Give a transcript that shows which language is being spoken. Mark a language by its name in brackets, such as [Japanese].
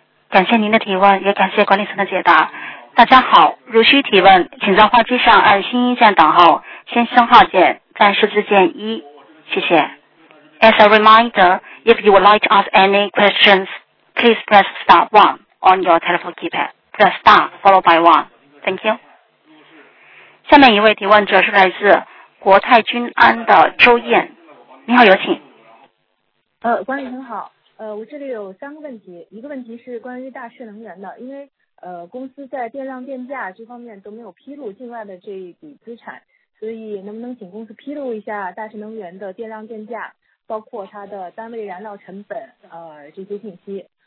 [Chinese] 感谢您的提问，也感谢管理层的解答。大家好，如需提问，请在话机上按星一键等候，先星号键，再数字键一，谢谢。 [English] As a reminder, if you would like to ask any questions, please press star one on your telephone keypad. The star followed by one. Thank you. [Chinese] 下面一位提问者是来自国泰君安的周燕，你好，有请。管理层好。我这里有三个问题，一个问题是关于大势能源的，因为公司在电量电价这方面都没有披露境外的这一笔资产，所以能不能请公司披露一下大势能源的电量电价，包括它的单位燃料成本这些信息。